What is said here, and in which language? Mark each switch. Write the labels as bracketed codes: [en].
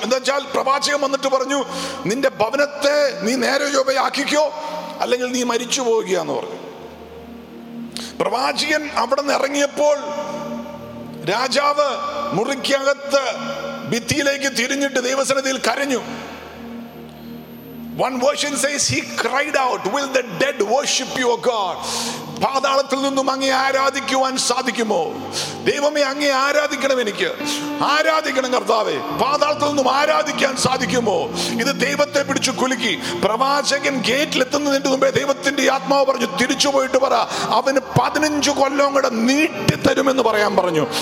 [ml] എന്താച്ചാൽ പ്രവാചകം വന്നിട്ട് പറഞ്ഞു, നിന്റെ ഭവനത്തെ നീ നേരെ ചൊവ്വയാക്കിക്കോ, അല്ലെങ്കിൽ നീ മരിച്ചു പോവുകയാന്ന് പറഞ്ഞു. പ്രവാചകൻ അവിടെ നിന്ന് ഇറങ്ങിയപ്പോൾ രാജാവ് മുറിക്കകത്ത് ഭിത്തിയിലേക്ക് തിരിഞ്ഞിട്ട് ദൈവസന്നിധിയിൽ കരഞ്ഞു. [en] One version says he cried out, will the dead worship you, O God? [ml] പാതാളത്തിൽ നിന്നും അങ്ങേ ആരാധിക്കുവാൻ സാധിക്കുമോ? ദൈവമേ അങ്ങേ ആരാധിക്കണം, എനിക്ക് ആരാധിക്കണം കർത്താവേ. പാതാളത്തിൽ നിന്നും ആരാധിക്കാൻ സാധിക്കുമോ? ഇത് ദൈവത്തെ പിടിച്ചു കുലുക്കി. പ്രവാചകൻ ഗേറ്റിൽ എത്തുന്നതിന്റെ മുമ്പേ ദൈവത്തിന്റെ ആത്മാവ് പറഞ്ഞു, തിരിച്ചു പോയിട്ട് പറ, അവന് 15 കൊല്ലം കൂടെ നീട്ടി തരുമെന്ന് പറയാൻ പറഞ്ഞു.